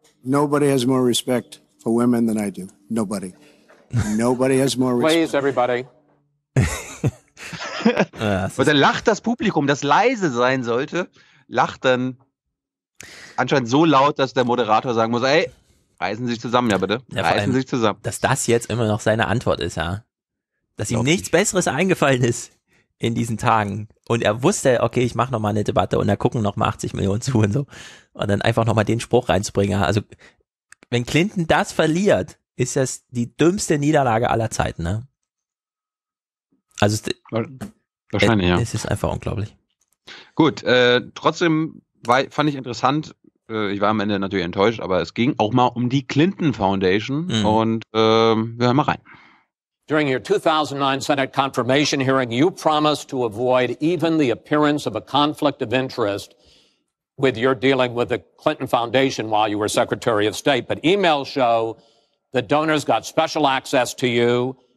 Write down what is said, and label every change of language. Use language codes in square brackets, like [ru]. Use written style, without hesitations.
[en] Nobody has more respect for women than I do. Nobody. Nobody has more respect. Please, everybody. [de] Und dann lacht das Publikum, das leise sein sollte, lacht dann anscheinend so laut, dass der Moderator sagen muss, ey, reißen Sie sich zusammen, ja bitte. Ja, reißen Sie sich zusammen. Dass das jetzt immer noch seine Antwort ist, ja. Dass ihm nichts Besseres eingefallen ist in diesen Tagen. Und er wusste, okay, ich mache nochmal eine Debatte und da gucken nochmal 80 Millionen zu und so. Und dann einfach nochmal den Spruch reinzubringen. Also, wenn Clinton das verliert, ist das die dümmste Niederlage aller Zeiten, ne? Also, wahrscheinlich, es ist einfach unglaublich. Gut, trotzdem fand ich interessant, ich war am Ende natürlich enttäuscht, aber es ging auch mal um die Clinton Foundation und wir hören mal rein. [en] During your 2009 Senate confirmation hearing, you promised to avoid even the appearance of a conflict of interest with your dealing with the Clinton Foundation while you were Secretary of State. But emails show that donors got special access to you.